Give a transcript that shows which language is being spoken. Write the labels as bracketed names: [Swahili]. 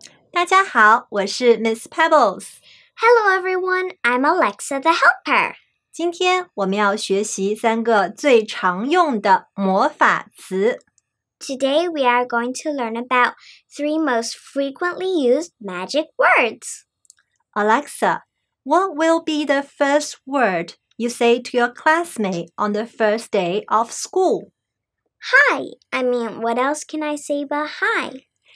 [Chinese] 大家好，我是 Miss Pebbles。 [English] Hello everyone, I'm Alexa the Helper. [Chinese] 今天我们要学习三个最常用的魔法词。 [English] Today we are going to learn about three most frequently used magic words. Alexa, what will be the first word you say to your classmate on the first day of school? Hi, I mean, what else can I say but hi?